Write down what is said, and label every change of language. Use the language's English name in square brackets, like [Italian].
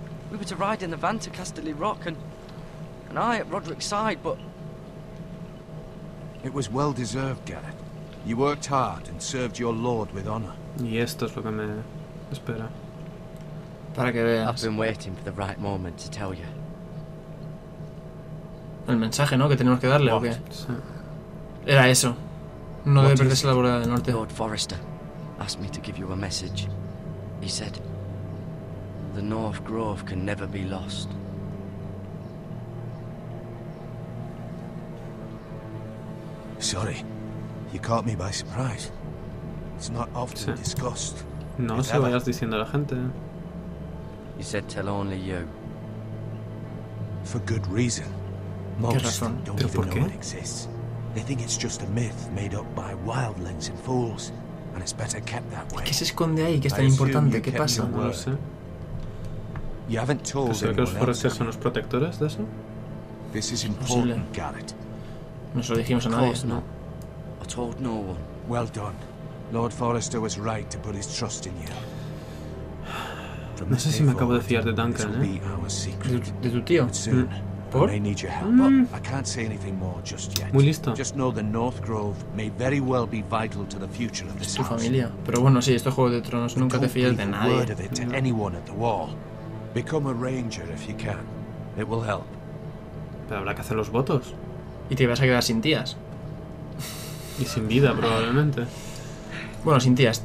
[English] We were to ride in the van to Casterly Rock, and I at Roderick's side, but... It was well deserved, Gared. You worked hard and served your lord with honor. [Spanish] Y esto es lo que me espera. Para que veas. [English] I've been waiting for the right moment to tell you. [Spanish] El mensaje, ¿no? Que tenemos que darle, ¿o qué? Era eso. No debe perderse la boda del norte. [English] Lord Forrester asked me to give you a message. He said... The North Grove can never be lost. Sorry, you caught me by surprise. It's not often discussed. [Spanish] No se vayas diciendo a la gente. [English] He said tell only you. For good reason. Most don't even know it exists. They think it's just a myth made up by wildlings and fools. And it's better kept that way. [Spanish] ¿Qué se esconde ahí? ¿Qué es tan importante? ¿Qué pasa? No lo sé. [English] You haven't told [Spanish] anyone. ¿Los Forrester son los protectores de eso? [English] This is important, Gared. [Spanish] Nos lo dijimos a nadie, [English] ¿no? I told no one. Well done. Lord Forrester was right to put his trust in you. [Spanish] No sé si me acabo de fiar de Duncan, ¿eh? De tu tío. ¿Por? [English] I need your help, but I can't say anything more just yet. [Spanish] Muy listo. [English] Just know the North Grove may very well be vital to the future of this house. [Spanish] Tu familia. Pero bueno, sí, esto es Juego de Tronos, nunca te fías de nadie. [English] Word of it to anyone at the wall. Become a ranger if you can. It will help. [Spanish] Pero habrá que hacer los votos. Y te vas a quedar sin tías. Y sin vida, probablemente. Bueno, sin tías.